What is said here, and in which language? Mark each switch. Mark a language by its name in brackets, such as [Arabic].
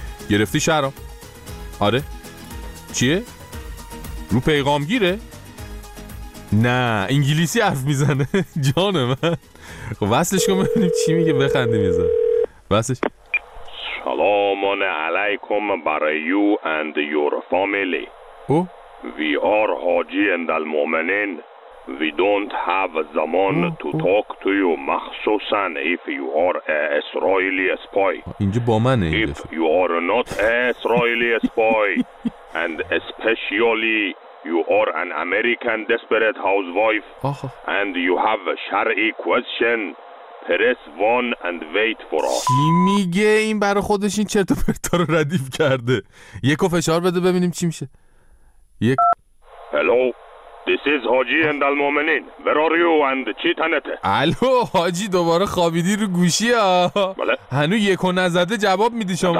[Persian] گرفتی شهرام؟ آره. چیه؟ رو پیغامگیره؟ نه انگلیسی حرف میزنه. جان من وصلش کن ببینیم چی میگه، بخندی میزن وصلش. سلام علیکم برای [English] You and your family. Oh we are حاجی اندلمومنین. We don't have the man to talk to you, [Persian] مخصوصاً [English] if you are an Israeli spy. [Persian] اینجا با منه. [English] If you are not an Israeli spy, and especially you are an American desperate housewife, and you have a Shari question, press 1 and wait for us. [Persian] چی میگه این برای خودش این چرت و پرتا رو ردیف کرده؟ یک و فشار بده ببینیم چی میشه. یک. [English] Hello. This is Haji and Al-Mu'minin. Where are you and [Persian] چی تنته؟ الو حاجی دوباره خوابیدی رو گوشی ها؟ بله. هنو یک و نزده جواب میدی شما؟